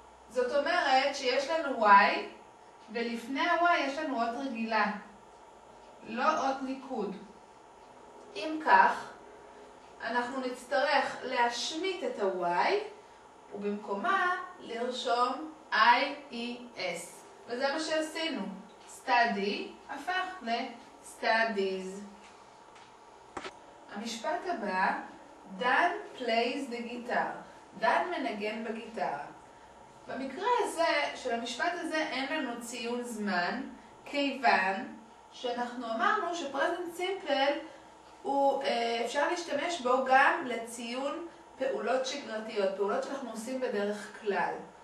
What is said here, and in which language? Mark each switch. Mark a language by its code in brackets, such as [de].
[he] זאת אומרת שיש לנו Y, ולפני ה-Y יש לנו אות רגילה, לא אות ניקוד. אם כך, אנחנו נצטרך להשמיט את ה-Y ובמקומה לרשום I-E-S. וזה מה שעשינו. Study הפך ל-Studies. המשפט הבא, [en] Dan plays the guitar. [he] דן מנגן בגיטרה. במקרה הזה, של המשפט הזה, אין לנו ציון זמן, כיוון שאנחנו אמרנו שפרזנט סימפל הוא אפשר להשתמש בו גם לציון פעולות שגרתיות, פעולות שאנחנו עושים בדרך כלל.